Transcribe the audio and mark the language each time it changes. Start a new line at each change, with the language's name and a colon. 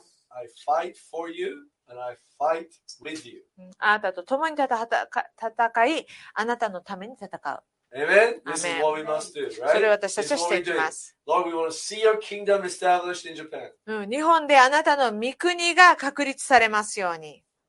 English: I fight for you and I fight with you.
Japanese: あなたと共に戦い、あなたのために戦う。
English: Amen. This is what we must do, right?
Japanese: それを私たちはしていきます。
English: Lord, we want to see your kingdom established in Japan.
Japanese: 日本であなたの御国が確立されますように。